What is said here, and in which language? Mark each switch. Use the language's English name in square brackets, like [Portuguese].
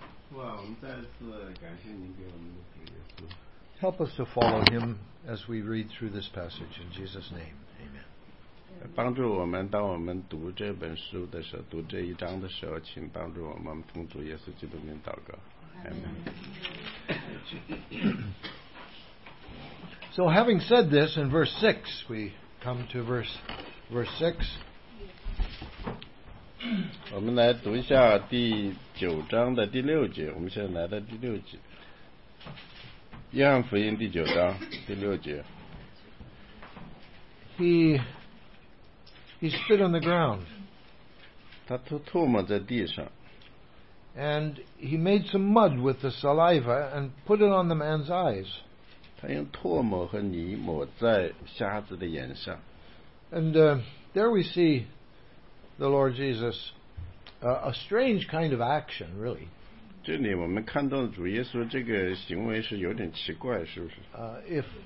[Chinese] 主啊，我们再次感谢您给我们的主耶稣。 [English] Help us to follow Him as we read through this passage in Jesus' name. Amen. [Chinese] 帮助我们，当我们读这本书的时候，读这一章的时候，请帮助我们奉主耶稣基督的名祷告。 [English] Amen. So having said this, in verse 6, we come to verse 6. [Chinese] 我们来读一下第九章的第六节，我们现在来到第六节。约翰福音第九章第六节。 [English] He spit on the ground. [Chinese] 他吐沫在地上。 [English] And he made some mud with the saliva and put it on the man's eyes. [Chinese] 他用唾沫和泥抹在瞎子的眼上。 [English] And there we see the Lord Jesus, a strange kind of action, really. [Chinese] 这里我们看到主耶稣这个行为是有点奇怪，是不是？